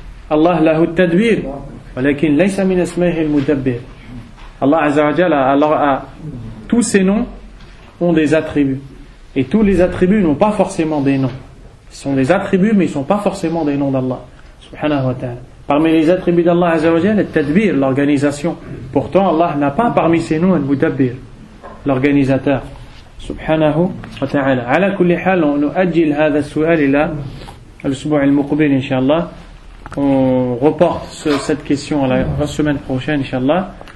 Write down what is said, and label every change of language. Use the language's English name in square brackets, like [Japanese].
[Arabic] Allah له التدبير ولكن ليس من اسمه المدبر. [French] Allah [Arabic] عز وجل [French] tous ces noms ont des attributs et tous les attributs n'ont pas forcément des noms. Ce sont des attributs mais ils ne sont pas forcément des noms d'Allah subhanahu wa ta'ala. Parmi les attributs d'Allah [Arabic] عز وجل [French] est التدبير, l'organisation. Pourtant Allah n'a pas parmi ces noms المدبر, l'organisateur subhanahu wa ta'ala. [Arabic] على كل حال [French] on [Arabic] نؤجل هذا السؤال الى الاسبوع المقبل ان شاء الله. [French] On reporte cette question à la semaine prochaine, inshallah.